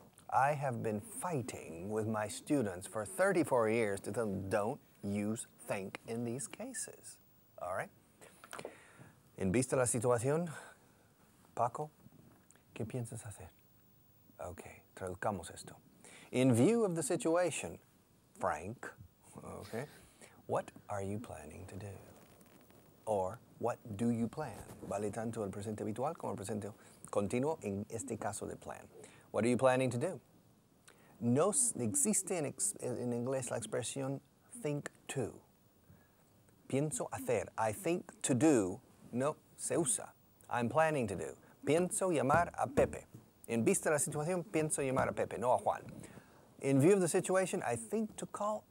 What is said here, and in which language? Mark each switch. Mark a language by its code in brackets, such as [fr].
[en] I have been fighting with my students for 34 years to tell them don't use think in these cases. All right. [es] En vista de la situación, Paco, ¿qué piensas hacer? Okay, traduzcamos esto. [en] In view of the situation, Frank, okay, what are you planning to do? Or what do you plan? [es] Vale tanto el presente habitual como el presente continuo en este caso de plan. [en] What are you planning to do? [es] No existe en inglés la expresión think to. Pienso hacer. [en] I think to do. [es] No, se usa. [en] I'm planning to do. [es] Pienso llamar a Pepe. En vista de la situación, pienso llamar a Pepe, no a Juan. [en] In view of the situation, I think to call.